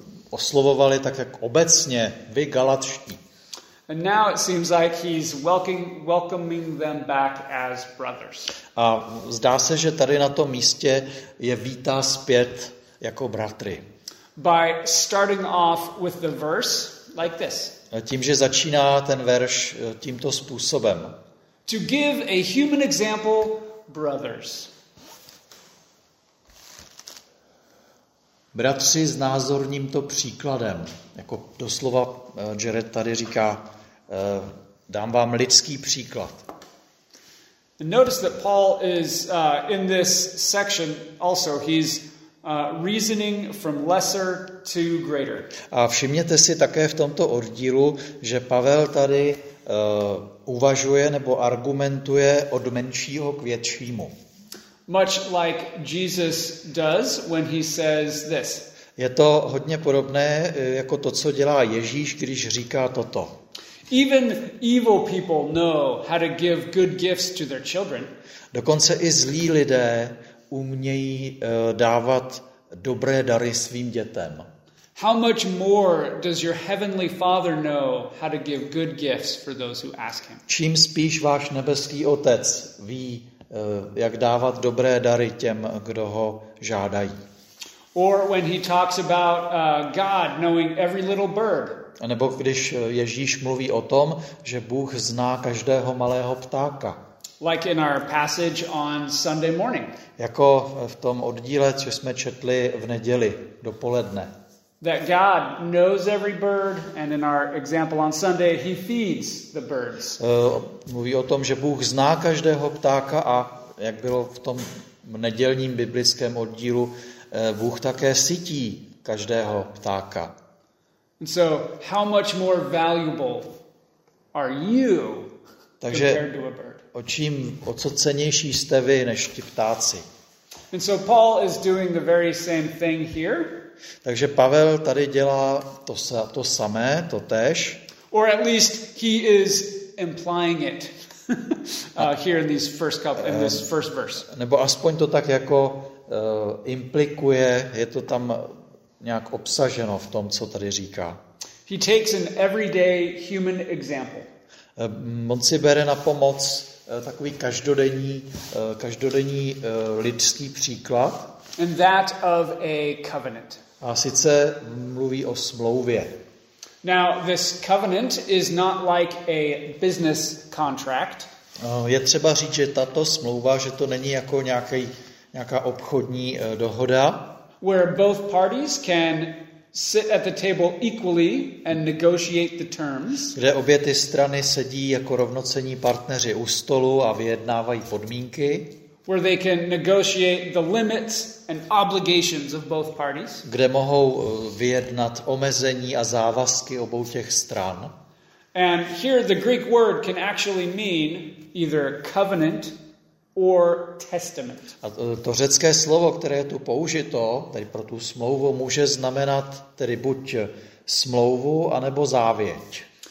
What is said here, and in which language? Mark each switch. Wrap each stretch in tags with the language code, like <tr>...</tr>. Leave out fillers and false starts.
<cs>Oslovovali tak jak obecně, vy Galatští.</cs> <en>And now it seems like he's welcoming them back as brothers.</en> <cs>A zdá se, že tady na tom místě je vítá zpět jako bratry.</cs> <en>By starting off with the verse like this.</en> <cs>Tím, že začíná ten verš tímto způsobem.</cs> <en>To give a human example, brothers.</en> <cs>Bratři, znázorním to příkladem. Jako doslova Jared tady říká, dám vám lidský příklad.</cs> <en>Notice that Paul is in this section also, he's reasoning from lesser to greater.</en> <cs>A všimněte si také v tomto oddílu, že Pavel tady uvažuje nebo argumentuje od menšího k většímu.</cs> <en>Much like Jesus does when he says this.</en> <cs>Je to hodně podobné jako to, co dělá Ježíš, když říká toto.</cs> <en>Even evil people know how to give good gifts to their children.</en> <cs>Dokonce i zlí lidé umějí dávat dobré dary svým dětem.</cs> <en>How much more does your heavenly Father know how to give good gifts for those who ask him?</en> <cs>Čím spíš váš nebeský Otec ví, jak dávat dobré dary těm, kdo ho žádají.</cs> <en>Or when he talks about God knowing every little bird.</en> <cs>A nebo když Ježíš mluví o tom, že Bůh zná každého malého ptáka.</cs> <en>Like in our passage on Sunday morning.</en> <cs>Jako v tom oddíle, co jsme četli v neděli dopoledne.</cs> <en>That God knows every bird, and in our example on Sunday, he feeds the birds.</en> <cs>Mluví o tom, že Bůh zná každého ptáka a jak bylo v tom nedělním biblickém oddílu, Bůh také sytí každého ptáka.</cs> <en>And so, how much more valuable are you compared to a bird?</en> <cs>Takže o co cennější jste vy než ti ptáci?</cs> <en>And so Paul is doing the very same thing here.</en> <cs>Takže Pavel tady dělá to samé, to též.</cs> <en>Or at least he is implying it here in these first couple, in this first verse.</en> <cs>Nebo aspoň to tak jako implikuje, je to tam nějak obsaženo v tom, co tady říká.</cs> <en>He takes an everyday human example.</en> <cs>On si bere na pomoc takový každodenní lidský příklad.</cs> <en>And that of a covenant.</en> <cs>A sice mluví o smlouvě.</cs> <en>Now this covenant is not like a business contract.</en> <cs>Je třeba říct, že tato smlouva, že to není jako nějaká obchodní dohoda.</cs> <en>Where both parties can sit at the table equally and negotiate the terms.</en> <cs>Kde obě ty strany sedí jako rovnocenní partneři u stolu a vyjednávají podmínky.</cs> <en>Where they can negotiate the limits and obligations of both parties.</en> <cs>Kde mohou vyjednat omezení a závazky obou těch stran.</cs> <en>And here the Greek word can actually mean either covenant or testament.</en> <cs>A to řecké slovo, které je tu použito, tedy pro tu smlouvu, může znamenat tedy buď smlouvu anebo závěť.</cs>